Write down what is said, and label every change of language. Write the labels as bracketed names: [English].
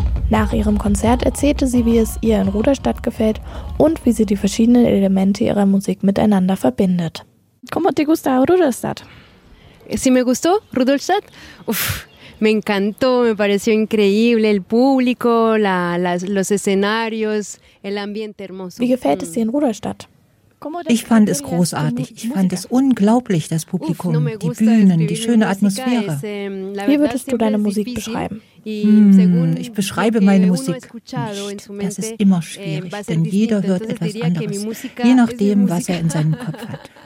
[German] Nach ihrem Konzert erzählte sie, wie es ihr in Ruderstadt gefällt und wie sie die verschiedenen Elemente ihrer Musik miteinander verbindet. [Spanish] ¿Cómo te gusta Ruderstadt? Sí, me gustó Ruderstadt. Uf, me encantó, me pareció increíble el público, los escenarios, el ambiente hermoso. [German] Wie gefällt es dir in Ruderstadt? Ich fand es großartig. Ich fand es unglaublich, das Publikum, die Bühnen, die schöne Atmosphäre. Wie würdest du deine Musik beschreiben? Ich beschreibe meine Musik nicht. Das ist immer schwierig, denn jeder hört etwas anderes, je nachdem, was er in seinem Kopf hat.